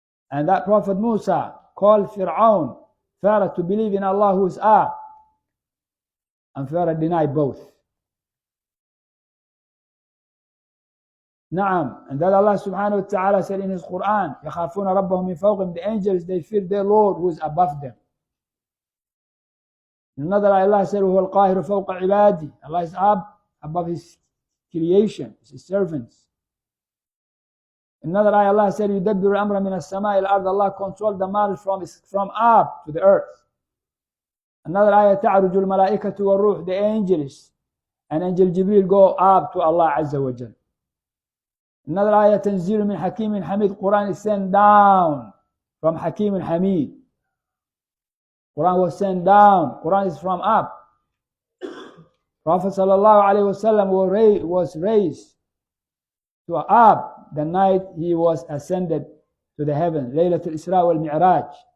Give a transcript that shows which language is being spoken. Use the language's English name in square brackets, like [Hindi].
[English] And that Prophet Musa called Fir'aun, Pharaoh to believe in Allah who is Allah. And Pharaoh denied both. Na'am. And that Allah subhanahu wa ta'ala said in His Quran, [Arabic] يَخَافُونَ رَبَّهُمْ مِنْ فَوْقِهِمْ. [English] The angels, they fear their Lord who is above them. Another Allah said, [Arabic] وَهُوَ الْقَاهِرُ فَوْقَ عِبَادِي. [English] Allah is up above His creation, His servants. Another ayah, Allah said, [Arabic] يُدَبِّرُ الْأَمْرَ مِنَ السَّمَاءِ الْأَرْضِ. [English] Allah controlled the matter from up to the earth. Another ayah, [Arabic] تَعْرُجُ الْمَلَائِكَةُ وَالْرُوحُ. [English] The angels and Angel Jibreel go up to Allah Azza wa Jal. Another ayah, [Arabic] تَنْزِيلُ مِنْ حَكِيمٍ حَمِيدٍ. [English] Quran is sent down from Hakim and Hamid. Quran was sent down. Quran is from up. Prophet sallallahu alaihi wasallam was raised to up the night he was ascended to the heaven, Laylatul Isra wal Mi'raj.